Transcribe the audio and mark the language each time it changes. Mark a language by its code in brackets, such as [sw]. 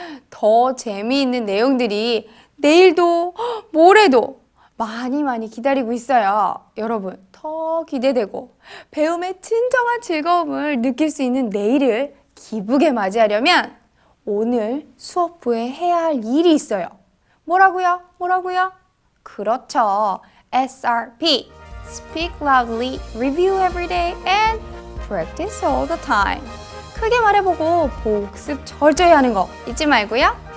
[ko] 더 재미있는 내용들이 내일도 모레도 많이 많이 기다리고 있어요. 여러분, 더 기대되고 배움의 진정한 즐거움을 느낄 수 있는 내일을 기쁘게 맞이하려면 오늘 수업 후에 해야 할 일이 있어요. 뭐라고요? 그렇죠. SRP. [en] Speak loudly, review every day, and practice all the time. [ko] 크게 말해보고 복습 철저히 하는 거 잊지 말고요.